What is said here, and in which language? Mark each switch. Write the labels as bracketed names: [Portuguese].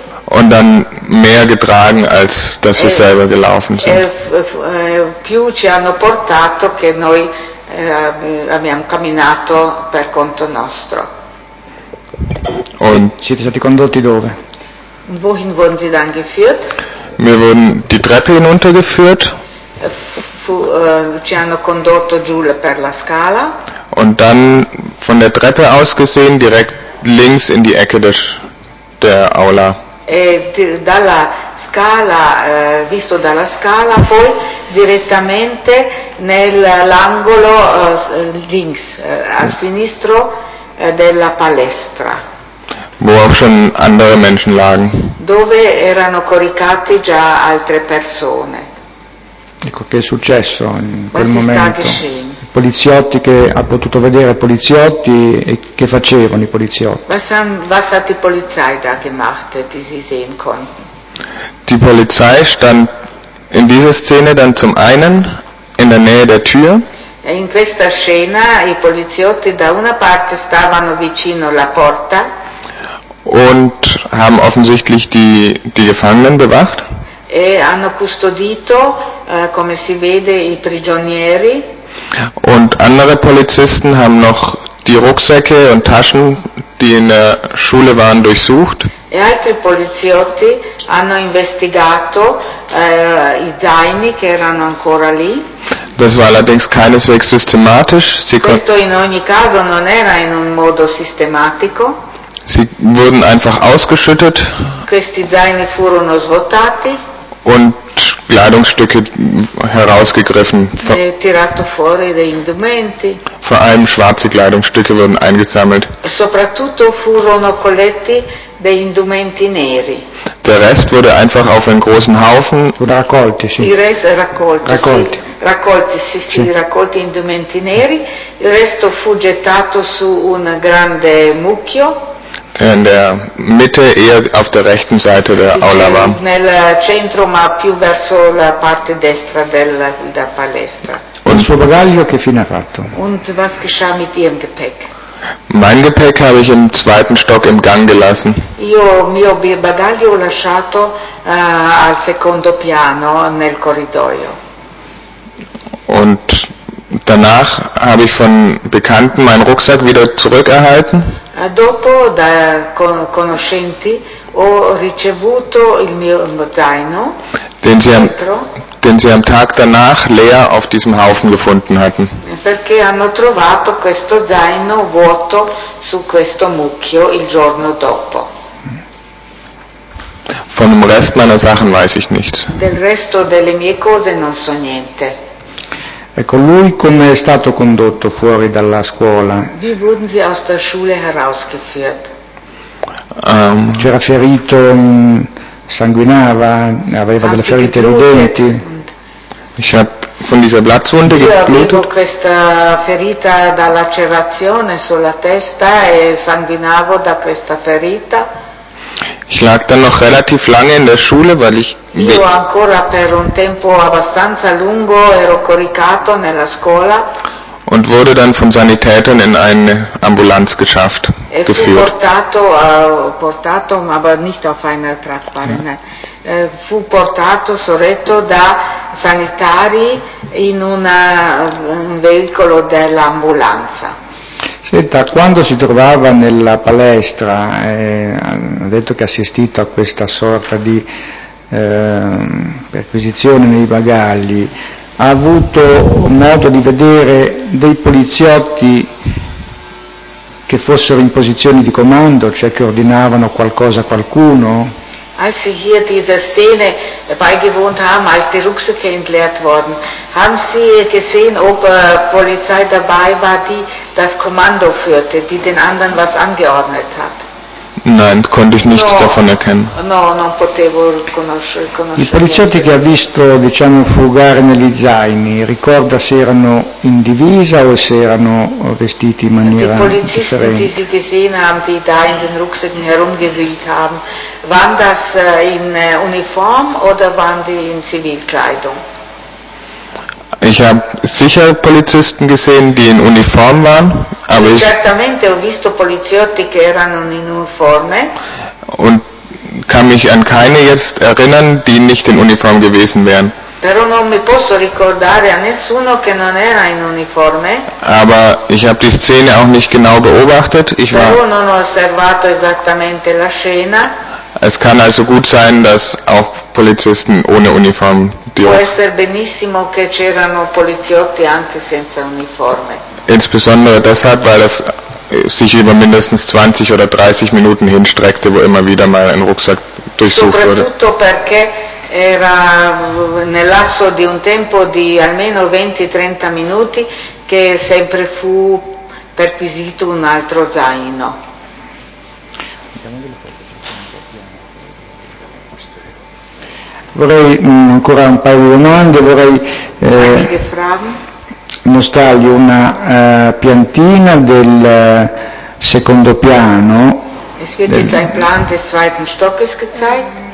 [German] Und dann mehr getragen, als dass wir selber gelaufen sind. [Italian] Più ci hanno portato che noi abbiamo camminato per conto nostro. [German] Und [Italian] siete stati condotti dove? [German] Wohin wurden Sie dann geführt? Wir wurden die Treppe hinuntergeführt. [Italian] Ci hanno condotto giù per la scala. [German] Und dann von der Treppe aus gesehen direkt links in die Ecke der Aula. [Italian] E dalla scala, visto dalla scala, poi direttamente nell'angolo [German] links, [Italian] a sinistro della palestra. [German] Wo auch schon andere Menschen lagen. [Italian] Dove erano coricati già altre persone. Ecco, che è successo in quel momento? I poliziotti, che ha potuto vedere i poliziotti, e che facevano i poliziotti? [German] Was hat die Polizei da gemacht, die sie sehen konnten? Die Polizei stand in dieser Szene dann zum einen in der Nähe der Tür. [Italian] E in questa scena i poliziotti da una parte stavano vicino alla porta. [German] Und haben offensichtlich die Gefangenen bewacht. [Italian] E hanno custodito, come si vede, i prigionieri. [German] Und andere Polizisten haben noch die Rucksäcke und Taschen, die in der Schule waren, durchsucht. [Italian] E altri poliziotti hanno investigato i zaini che erano ancora lì. [German] Das war allerdings keineswegs systematisch. [Italian] Questo in ogni caso non era in un modo sistematico. [German] Sie wurden einfach ausgeschüttet. [Italian] Questi zaini furono svuotati. [German] Und Kleidungsstücke herausgegriffen. [Italian] Tirato fuori dei indumenti. [German] Vor allem schwarze Kleidungsstücke wurden eingesammelt. [Italian] Soprattutto furono colletti dei indumenti neri. [German] Der Rest wurde einfach auf einen großen Haufen. Oder [Italian] raccolti, sì. Il resto raccolti. Raccolti, sì, sì, sì, raccolti indumenti neri. Il resto fu gettato su un grande mucchio. [German] In der Mitte, eher auf der rechten Seite der Aula war. [Italian] Nel centro, ma più verso la parte destra della palestra. [German] Und [Italian] suo bagaglio che fine ha fatto? [German] Und was geschah mit Ihrem Gepäck? Mein Gepäck habe ich im zweiten Stock im Gang gelassen. [Italian] Io mio bagaglio ho lasciato al secondo piano nel corridoio. [German] Und danach habe ich von Bekannten meinen Rucksack wieder zurückerhalten. [Italian] Dopo, da conoscenti, ho ricevuto il mio zaino, [German] den sie am Tag danach leer auf diesem Haufen gefunden hatten. [Italian] Perché hanno trovato questo zaino vuoto su questo mucchio il giorno dopo. [German] Von dem Rest meiner Sachen weiß ich nichts. [Italian] Del resto delle mie cose non so niente. Ecco, lui come è stato condotto fuori dalla scuola? [German] Wie wurden Sie aus der Schule herausgeführt? [Italian] C'era ferito, sanguinava, aveva delle ferite nei denti. [German] Ich habe von dieser Blattwunde geblutet. [Italian] Io avevo questa ferita da lacerazione sulla testa e sanguinavo da questa ferita. [German] Ich lag dann noch relativ lange in der Schule, weil ich. [Italian] Io ancora per un tempo abbastanza lungo ero coricato nella scuola. [German] Und wurde dann von Sanitätern in eine Ambulanz geschafft, geführt. [Italian] Portato, [German] aber nicht auf einer Tragbahn. Ja. [Italian] Fu portato, sorretto da sanitari in un veicolo dell'ambulanza. Senta, quando si trovava nella palestra, ha detto che ha assistito a questa sorta di perquisizione nei bagagli, ha avuto modo di vedere dei poliziotti che fossero in posizioni di comando, cioè che ordinavano qualcosa a qualcuno? [German] Als Sie hier dieser Szene beigewohnt haben, als die Rucksäcke entleert wurden, haben Sie gesehen, ob Polizei dabei war, die das Kommando führte, die den anderen was angeordnet hat? Nein, konnte ich nichts davon erkennen. [Italian] No, non potevo conoscere. I poliziotti che ha visto, diciamo, frugare negli zaini, ricorda se erano in divisa o se erano vestiti in maniera differente? [German] Die Polizisten, die Sie gesehen haben, die da in den Rucksäcken herumgewühlt haben, waren das in Uniform oder waren die in Zivilkleidung? Ich habe sicher Polizisten gesehen, die in Uniform waren, aber [Italian] certamente ho visto poliziotti che erano in uniforme. [German] Und kann mich an keine jetzt erinnern, die nicht in Uniform gewesen wären. [Italian] Però non mi posso ricordare a nessuno che non era in uniforme. [German] Aber ich habe die Szene auch nicht genau beobachtet. Ich war [Italian] però non ho osservato esattamente la scena. [German] Es kann also gut sein, dass auch Polizisten ohne Uniform. [Italian] Può essere benissimo che c'erano poliziotti anche senza uniforme. [German] Insbesondere deshalb, weil das sich über mindestens 20 oder 30 Minuten hinstreckte, wo immer wieder mal ein Rucksack durchsucht wurde. [Italian] Soprattutto perché era nel lasso di un tempo di almeno 20-30 minuti che sempre fu perquisito un altro zaino. Vorrei ancora un paio di domande, vorrei mostrargli una piantina del secondo piano. [German] Es wird jetzt ein Plan des zweiten Stockes gezeigt.